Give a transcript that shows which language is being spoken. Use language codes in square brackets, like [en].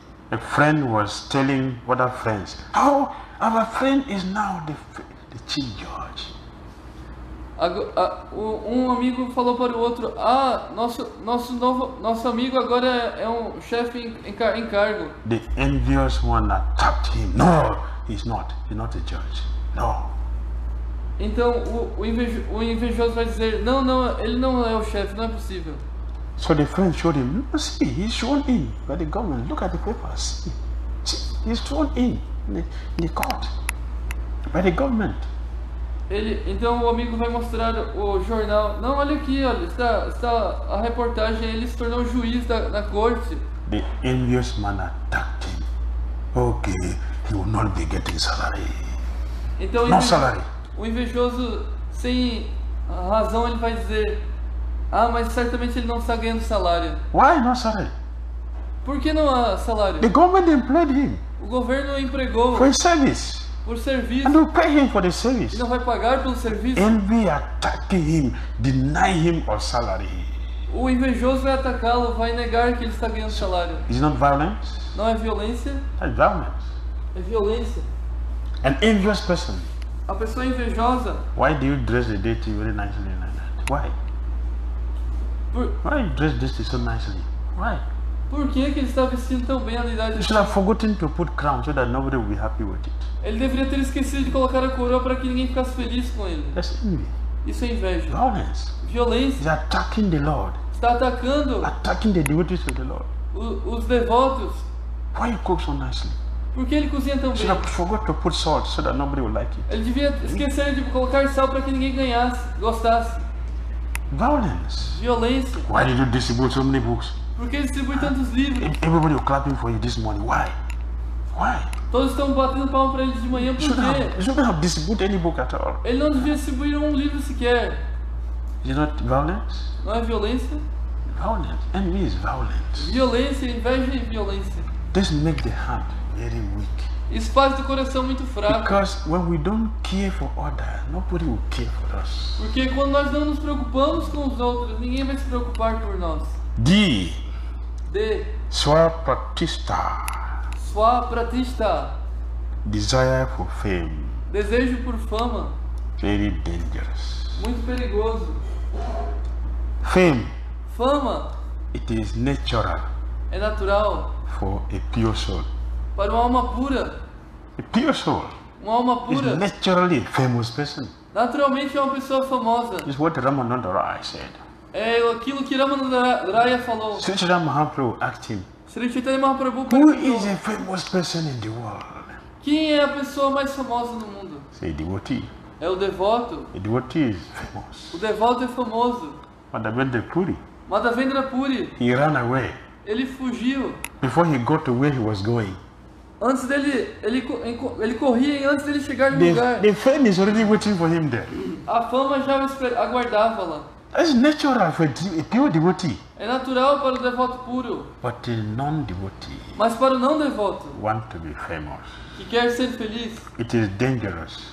[en] A friend was telling other friends, "Oh, our friend is now the chief judge." [pt] Um amigo falou para o outro, "Ah, nosso amigo agora é um chefe em cargo." [en] The envious one attacked him. No, he's not. He's not a judge. No. [pt] Então o invejoso vai dizer, "Não, ele não é o chefe. Não é possível." [en] So the friend showed him, see, he's sworn in by the government, look at the papers, see, he's sworn in the court, by the government. [pt] Então o amigo vai mostrar o jornal, não, olha aqui, olha, está a reportagem, ele se tornou juiz da corte. [en] The envious man attacked him, okay, he will not be getting salary, [pt] então, [en] no salary. [pt] O invejoso, sem razão, ele vai dizer, ah, mas certamente ele não está ganhando salário. [en] Why not salary? [pt] Por que não há salário? [en] The government employed him. [pt] O governo empregou. [en] For service. [pt] Por serviço. [en] And will pay him for the service. [pt] Ele não vai pagar pelo serviço. [en] Envy attacking him, deny him of salary. [pt] O invejoso vai atacá-lo, vai negar que ele está ganhando salário. [en] Is not violence? [pt] Não é violência? [en] That's violence. [pt] É violência. [en] An envious person. [pt] A pessoa invejosa. [en] Why do you dress the deity very nicely like that? Why? Why dress this so nicely? Why? [pt] Por que que ele está vestindo tão bem a deidade? [en] He should have forgotten to put crown so that nobody will be happy with it. [pt] Ele deveria ter esquecido de colocar a coroa para que ninguém ficasse feliz com ele. [en] That's envy. [pt] Isso é inveja. [en] Violence. [pt] Violência. [en] He's attacking the Lord. [pt] Está atacando. [en] Attacking the devotees of the Lord. [pt] Os devotos. [en] Why you cook so nicely? [pt] Por que ele cozinha tão bem? [en] He forgot to put salt so that nobody would like it. [pt] Ele devia esquecer de colocar sal para que ninguém ganhasse, gostasse. [en] Violence. [pt] Violência. [en] Why did you distribute so many books? [pt] Por que distribui tantos livros? [en] Everybody was clapping for you this morning. Why? Why? [pt] Todos estão batendo palma para ele de manhã. Por quê? [en] You shouldn't have distributed any book at all. [pt] Ele não devia distribuir um livro sequer. [en] Is it not violence? [pt] Não é violência? [en] Violence. Envy is violence. [pt] Violência, inveja e violência. [en] This makes the heart very weak. [pt] Isso faz o coração muito fraco. [en] Because when we don't care for others, nobody will care for us. [pt] Porque quando nós não nos preocupamos com os outros, ninguém vai se preocupar por nós. [en] De swapratistha. [pt] Swapratistha. [en] Desire for fame. [pt] Desejo por fama. [en] Very dangerous. [pt] Muito perigoso. [en] Fame. [pt] Fama. [en] It is natural. [pt] É natural. [en] For a pure soul. [pt] Para uma alma pura. [en] A pure soul. [pt] Uma alma pura. [en] Is naturally a famous person. [pt] Naturalmente é uma pessoa famosa. [en] Is what Ramanandaraya said. [pt] É aquilo que Ramanandaraya falou. [en] Sri Chaitanya Mahaprabhu asked him. [pt] Sri Chaitanya Mahaprabhu perguntou. [en] Who is a famous person in the world? [pt] Quem é a pessoa mais famosa no mundo? [en] Say devotee. [pt] É o devoto. [en] A devotee is famous. [pt] O devoto é famoso. [en] Madhavendra Puri. [pt] Madhavendra Puri. [en] He ran away. [pt] Ele fugiu. [en] Before he got to where he was going. [pt] Antes dele, ele corria antes dele chegar no [en] the, [pt] lugar. [en] The fame is already waiting for him there. [pt] A fama já aguardava lá. [en] It's natural for a pure devotee. [pt] É natural para o devoto puro. [en] But a non-devotee. [pt] Mas para o não devoto. [en] Want to be famous. [pt] Que quer ser feliz. [en] It is dangerous.